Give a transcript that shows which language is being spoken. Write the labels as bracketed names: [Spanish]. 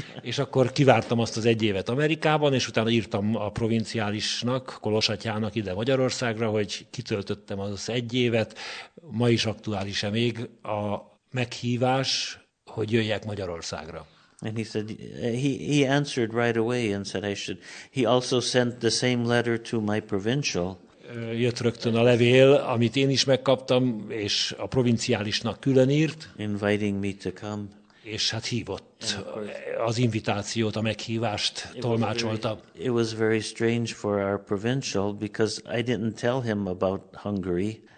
[Hungarian] És akkor kivártam azt az egy évet Amerikában, és utána írtam a provinciálisnak, Kolos atyának ide Magyarországra, hogy kitöltöttem az egy évet, ma is aktuális-e még a meghívás, hogy jöjjek Magyarországra. [English] And he said he answered right away and said I should. He also sent the same letter to my provincial. [Hungarian] Jött rögtön a levél, amit én is megkaptam, és a provinciálisnak külön írt. [English] Inviting me to come. [Hungarian] És hát hívott az invitációt, a meghívást tolmácsolta. [English] It was very strange for our provincial because I didn't tell him about Hungary.